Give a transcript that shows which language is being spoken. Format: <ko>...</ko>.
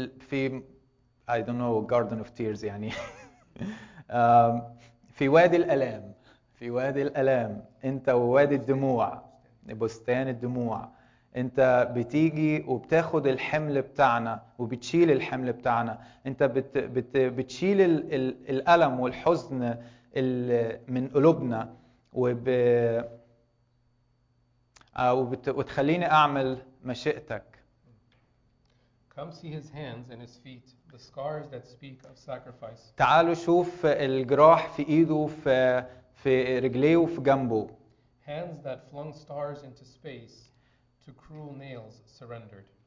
<en>في I don't know garden of tears يعني</en> <ar>في وادي الألام، في وادي الألام أنت ووادي الدموع، بستان الدموع، أنت بتيجي وبتاخد الحمل بتاعنا وبتشيل الحمل بتاعنا، أنت بتشيل الألم والحزن من قلوبنا، وتخليني أعمل مشيئتك.</ar> <en>Come see his hands and his feet, the scars that speak of sacrifice.</en> <ar>تعالوا شوف الجراح في إيده وفي رجليه وفي جنبه.</ar> <en>Hands that flung stars into space to cruel nails surrendered.</en>